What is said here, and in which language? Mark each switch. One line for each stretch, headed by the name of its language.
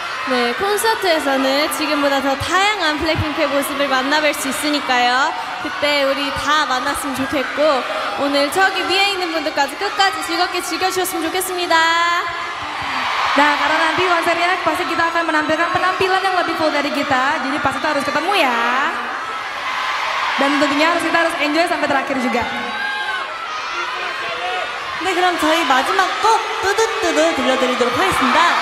Korean: 네, 콘서트에서는 지금보다 더 다양한 블랙핑크의 모습을 만나볼 수 있으니까요. 그때 우리 다 만났으면 좋겠고 오늘 저기 위에 있는 분들까지 끝까지 즐겁게 즐겨주셨으면 좋겠습니다.
Indonesian: Nah, karena nanti konsernya pasti kita akan menampilkan penampilan yang lebih full dari kita, jadi pasti kita harus ketemu ya. Dan tentunya harus kita harus enjoy sampai terakhir juga.
Korean: 네, 그럼 저희 마지막 곡 뚜두뚜두 들려드리도록 하겠습니다.